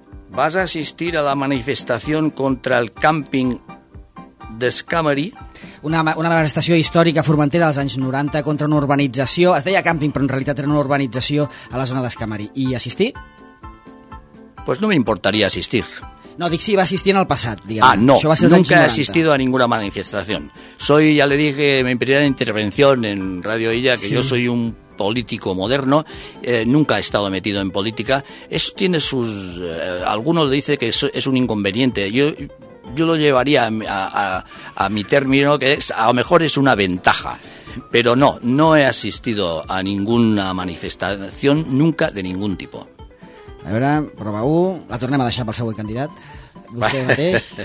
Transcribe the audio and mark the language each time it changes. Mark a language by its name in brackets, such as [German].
[Spanish] ¿Vas a assistir a la manifestación contra el camping Descamery? [Catalan] Una manifestació històrica a Formentera dels anys 90 contra una urbanització, es deia càmping, però en realitat era una urbanització a la zona d'Escamery. I assistir? [Spanish] Pues no me importaría asistir. [Catalan] No, dic si va assistir en el passat, diguem. Ah, no, això va ser [Spanish] nunca 90. He asistido a ninguna manifestación. Soy, ya le dije, mi primera intervención en Radio Illa, que sí. Yo soy un político moderno, nunca he estado metido en política. Eso tiene sus... algunos le dicen que es un inconveniente. Yo lo llevaría a mi término, que es, a lo mejor es una ventaja, pero no he asistido a ninguna manifestación nunca de ningún tipo. [Catalan] A veure, prova 1, la tornem a deixar pel següent candidat, vostè mateix.